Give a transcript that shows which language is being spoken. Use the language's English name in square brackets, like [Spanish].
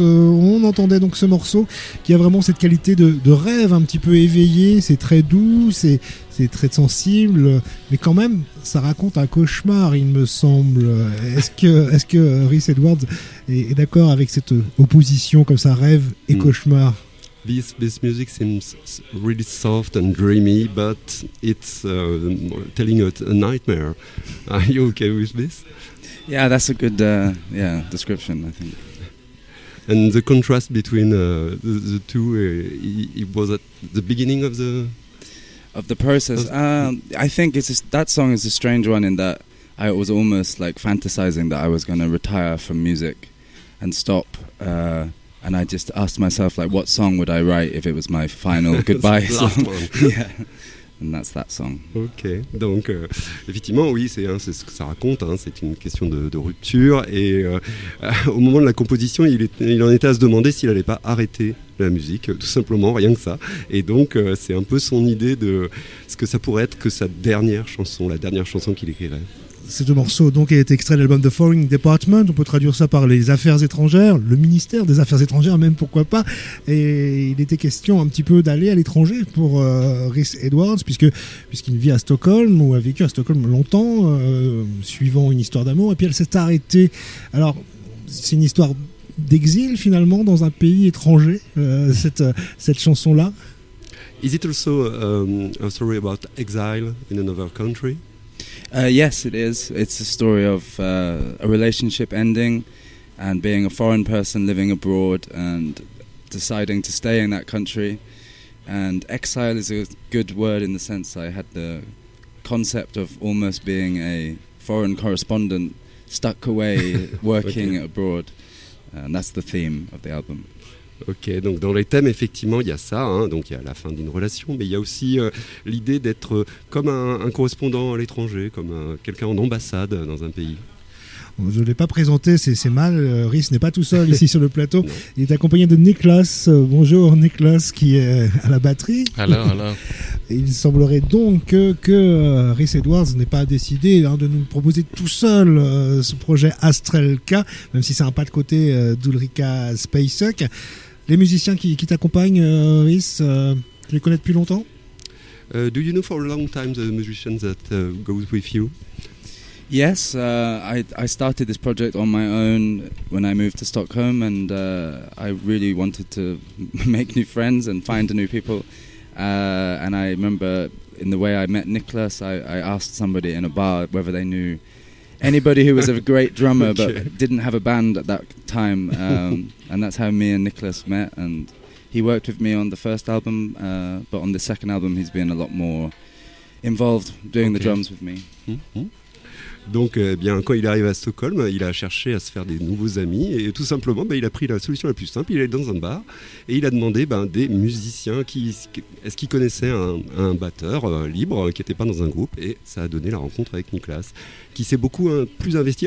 [French] On entendait donc ce morceau qui a vraiment cette qualité de rêve un petit peu éveillé. C'est très doux, c'est très sensible, mais quand même, ça raconte un cauchemar, il me semble. Est-ce que Rhys Edwards est d'accord avec cette opposition comme ça, rêve et cauchemar? [English] This music seems really soft and dreamy, but it's telling a nightmare. Are you okay with this? Yeah, that's a good description, I think. And the contrast between the two, it was at the beginning of the... Of the process, I think it's just, that song is a strange one in that I was almost like fantasizing that I was going to retire from music and stop. And I just asked myself, like, what song would I write if it was my final goodbye song? And that's that song. [French] Ok, donc effectivement, oui, c'est ce que ça raconte, hein, c'est une question de rupture. Et au moment de la composition, il en était à se demander s'il n'allait pas arrêter la musique, tout simplement, rien que ça. Et donc, c'est un peu son idée de ce que ça pourrait être que sa dernière chanson, la dernière chanson qu'il écrirait. Ces deux morceaux, donc, est extrait de l'album The Foreign Department. On peut traduire ça par les affaires étrangères, le ministère des affaires étrangères, même, pourquoi pas. Et il était question un petit peu d'aller à l'étranger pour Rhys Edwards, puisqu'il vit à Stockholm, ou a vécu à Stockholm longtemps, suivant une histoire d'amour. Et puis elle s'est arrêtée. Alors, c'est une histoire d'exil, finalement, dans un pays étranger, cette chanson-là. [English] Is it also a story about exile in another country? Yes, it is. It's a story of a relationship ending and being a foreign person living abroad and deciding to stay in that country. And exile is a good word in the sense I had the concept of almost being a foreign correspondent stuck away working okay. abroad. And that's the theme of the album. [French] Ok, donc dans les thèmes, effectivement, il y a ça, hein, donc il y a la fin d'une relation, mais il y a aussi l'idée d'être comme un correspondant à l'étranger, comme quelqu'un en ambassade dans un pays. Je ne l'ai pas présenté, c'est mal, Rhys n'est pas tout seul ici sur le plateau, non. Il est accompagné de Niklas, bonjour Niklas, qui est à la batterie. [English] Hello. [French] Il semblerait donc que Rhys Edwards n'ait pas décidé de nous proposer tout seul ce projet Astrelka, même si c'est un pas de côté d'Ulrika Spacek. Les musiciens qui t'accompagnent, Rhys, tu les connais depuis longtemps? [English] Do you know for a long time the musicians that goes with you? Yes, I started this project on my own when I moved to Stockholm, and I really wanted to make new friends and find new people. And I remember in the way I met Niklas, I asked somebody in a bar whether they knew anybody who was a great drummer but didn't have a band at that time. And that's how me and Niklas met, and he worked with me on the first album, but on the second album he's been a lot more involved doing the drums with me. Mm-hmm. [French] Donc, bien, quand il arrive à Stockholm, il a cherché à se faire des nouveaux amis et tout simplement, il a pris la solution la plus simple. Il est dans un bar et il a demandé des musiciens est-ce qu'ils connaissaient un batteur libre qui n'était pas dans un groupe, et ça a donné la rencontre avec Niklas, qui s'est beaucoup plus investi.